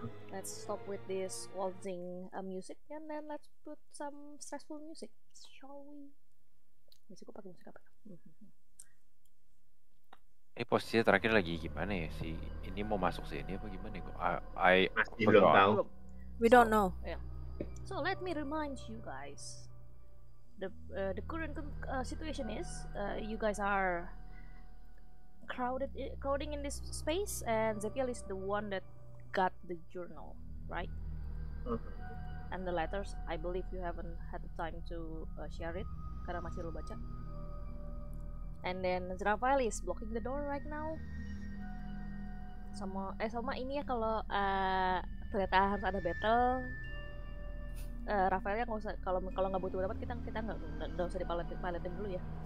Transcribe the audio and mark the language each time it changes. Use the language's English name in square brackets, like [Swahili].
[English] Let's stop with this waltzing music and then let's put some stressful music, shall we? [Indonesian] Musik gue pake musik apa? Posisi terakhir lagi gimana ya sih? Ini mau masuk sini apa gimana? [English] We don't know. Yeah. So let me remind you guys, the current situation is you guys are crowding in this space, and Zephiel is the one that got the journal, right? Mm-hmm. And the letters, I believe you haven't had the time to share it [Indonesian] karena masih lu baca. [English] And then Zephiel is blocking the door right now. [Indonesian] Sama ini ya, kalau ternyata harus ada battle. Rafael ya nggak usah, kalau nggak butuh dapat kita nggak usah dipaletin dulu ya.